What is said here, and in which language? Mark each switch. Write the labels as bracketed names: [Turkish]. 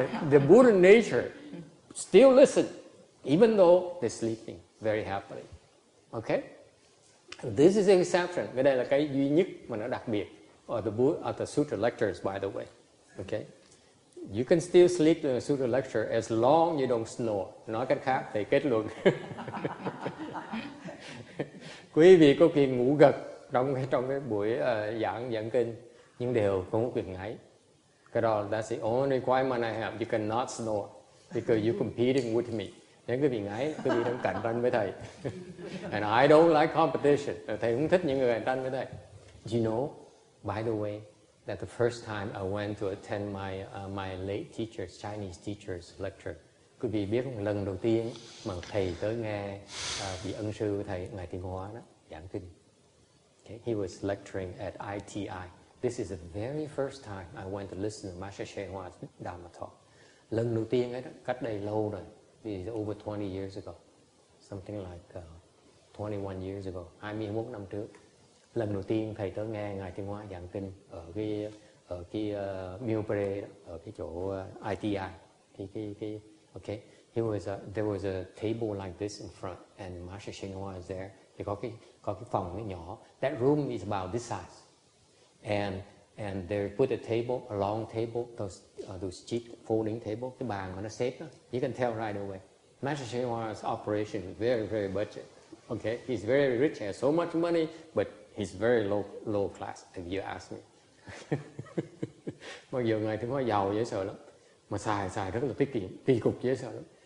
[English] The Buddha nature still listen, even though they're sleeping very happily. Okay? This is an exception. [Vietnamese] Cái đây là cái duy nhất mà nó đặc biệt. [English] The sutra lectures, by the way. Okay? You can still sleep during a sutra lecture as long you don't snore. [Vietnamese] Nói cách khác, thầy kết luận. Quý vị có quyền ngủ gật trong cái buổi giảng kinh, nhưng đều không có quyền ngáy. Cái đó, [English] that's the only requirement I have. You cannot snore because you're competing with me. [Vietnamese] Nếu quý vị ngáy, quý vị đang cạnh tranh với thầy. [English] And I don't like competition. [Vietnamese] Thầy không thích những người cạnh tranh với thầy. [English] You know, by the way, that the first time I went to attend my late teacher's, Chinese teacher's lecture, [Vietnamese] quý vị biết không, lần đầu tiên mà thầy tới nghe vị ân sư của thầy, Ngài Tiên Hóa đó, giảng kinh. [English] Okay. He was lecturing at ITI. This is the very first time I went to listen to Master Shen Hua's Dharma talk. [Vietnamese] Lần đầu tiên ấy đó, cách đây lâu rồi, [English] it is over 20 years ago, [Vietnamese] something like 21 years ago, 21 năm trước. Lần đầu tiên thầy tới nghe Ngài Tiên Hóa giảng kinh ở cái Milbury đó, ở cái chỗ ITI. [English] Okay. There was a table like this in front, and Master Shen Hua is there. [Vietnamese] Thì có cái phòng cái nhỏ. [English] That room is about this size. And they put a table, a long table, those cheap folding table, [Vietnamese] cái bàn mà nó xếp đó. [English] You can tell right away. Master Shen Hua's operation is very, very budget. Okay. He's very rich, has so much money, but he's very low class, if you ask me. [Vietnamese] Mặc dù Ngài Tiên Hóa giàu dễ sợ lắm, mà xài rất là tiết kiệm, kỳ cục dễ sợ lắm.